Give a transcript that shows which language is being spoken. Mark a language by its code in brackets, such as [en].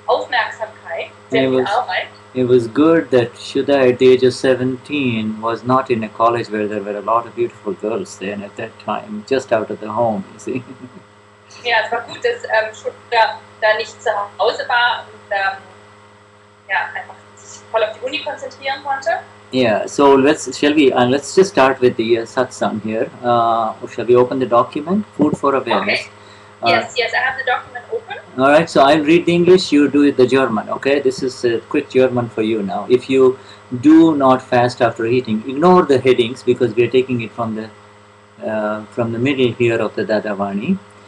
[en] It was good that Shuddha at the age of 17 was not in a college where there were a lot of beautiful girls then at that time, just out of the home, you see. [de] Ja, es war gut, dass Shuddha da nicht zu Hause war und einfach sich voll auf die Uni konzentrieren konnte. [en] Yeah, so let's just start with the satsang here. Shall we open the document? Food for awareness. Okay. Yes, I have the document open. All right, so I'll read the English, you do it the German, okay? This is a quick German for you now. If you do not fast after eating, ignore the headings because we are taking it from the middle here of the Dadavani.